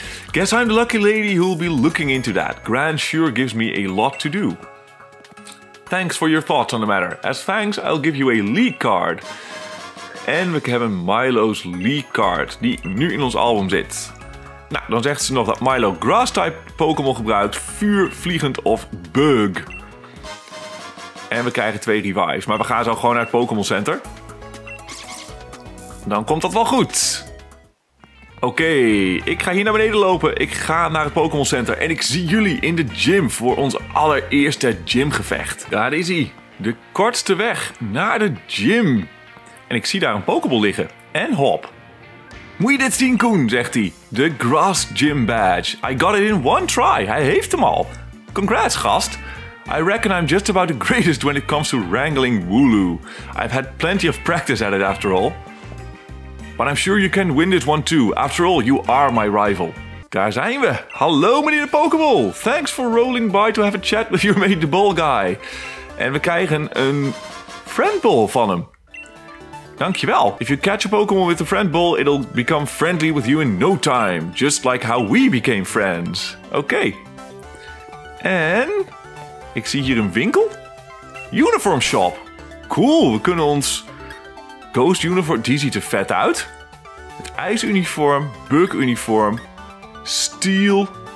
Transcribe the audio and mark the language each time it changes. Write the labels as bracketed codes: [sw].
[en] Guess I'm the lucky lady who'll be looking into that. Grant sure gives me a lot to do. Thanks for your thoughts on the matter. As thanks, I'll give you a leak card. [nl] En we hebben Milo's leak card, die nu in ons album zit. Nou, dan zegt ze nog dat Milo grass-type Pokémon gebruikt, vuur, vliegend of bug. en we krijgen 2 revives. Maar we gaan zo gewoon naar het Pokémon Center. Dan komt dat wel goed. Oké, ik ga hier naar beneden lopen. Ik ga naar het Pokémon Center en ik zie jullie in de gym voor ons allereerste gymgevecht. Daar is hij. De kortste weg naar de gym. En ik zie daar een Pokéball liggen. En hop. Moet je dit zien, Koen, zegt hij. [en] De Grass Gym Badge. I got it in one try. [nl] Hij heeft hem al. [en] Congrats, gast. I reckon I'm just about the greatest when it comes to wrangling Wooloo. I've had plenty of practice at it, after all. But I'm sure you can win this one, too. After all, you are my rival. [nl] Daar zijn we. Hallo, meneer de Pokéball. [en] Thanks for rolling by to have a chat with your mate, the ball guy. [nl] En we krijgen een friendball van hem. Dankjewel. [en] If you catch a Pokémon with a friendball, it'll become friendly with you in no time. Just like how we became friends. [nl] Oké. En ik zie hier een winkel. Uniform shop. Cool, we kunnen ons Ghost uniform. Die ziet er vet uit. Het ijsuniform, bug uniform, steel.